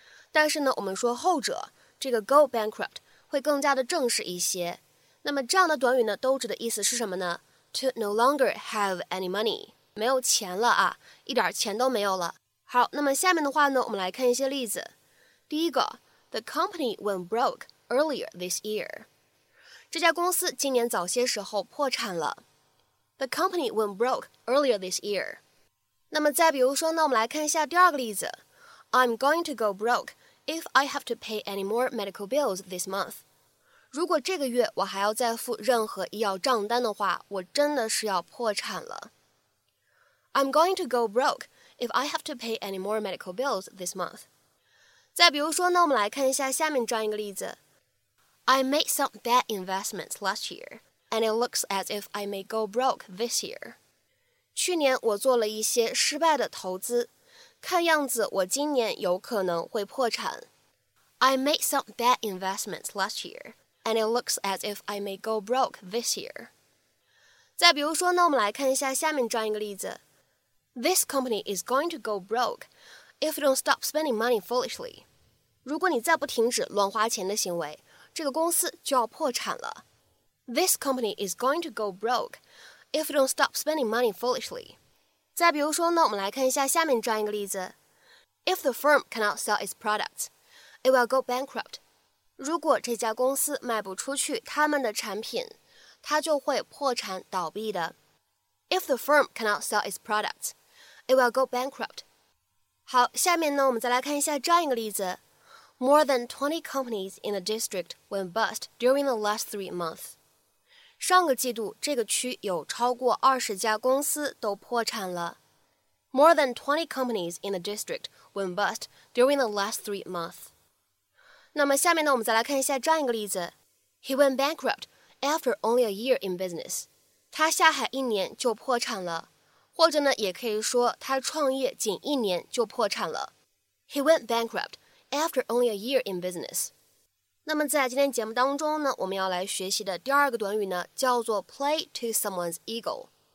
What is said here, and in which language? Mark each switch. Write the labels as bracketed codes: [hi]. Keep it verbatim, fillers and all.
[zh] 但是呢，我们说后者这个 go bankrupt 会更加的正式一些。那么这样的短语呢，都指的意思是什么呢？ [en] To no longer have any money， [zh] 没有钱了啊，一点钱都没有了。好，那么下面的话呢，我们来看一些例子。第一个 [en] ，The company went broke earlier this year。 [zh] 这家公司今年早些时候破产了。 [en] The company went broke earlier this year。 [zh] 那么再比如说呢，我们来看一下第二个例子。 [en] I'm going to go broke if I have to pay any more medical bills this month。 [zh] 如果这个月我还要再付任何医药账单的话，我真的是要破产了。 [en] I'm going to go broke if I have to pay any more medical bills this month. [zh] 再比如说呢，我们来看一下下面这样一个例子。 [en] I made some bad investments last year, and it looks as if I may go broke this year. [zh] 去年我做了一些失败的投资，看样子我今年有可能会破产。 [en] I made some bad investments last year. And it looks as if I may go broke this year. [zh] 再比如说呢，我们来看一下下面这样一个例子。 [en] This company is going to go broke if you don't stop spending money foolishly. [zh] 如果你再不停止乱花钱的行为，这个公司就要破产了。 [en] This company is going to go broke if you don't stop spending money foolishly. [zh] 再比如说呢，我们来看一下下面这样一个例子。 [en] If the firm cannot sell its products, it will go bankrupt. [zh] 如果这家公司卖不出去他们的产品，它就会破产倒闭的。 [en] If the firm cannot sell its products, it will go bankrupt. [zh] 好，下面呢，我们再来看一下这样一个例子。 [en] More than twenty companies in the district went bust during the last three months. [zh] 上个季度，这个区有超过二十家公司都破产了。 [en] More than twenty companies in the district went bust during the last three months. [zh] 那么下面呢，我们再来看一下这样一个例子。 [en] He went bankrupt after only a year in business. [zh] 他下海一年就破产了，或者呢，也可以说他创业仅一年就破产了。 [en] He went bankrupt after only a year in business. [zh] 那么在今天节目当中呢，我们要来学习的第二个短语呢，叫做 [en] play to someone's ego.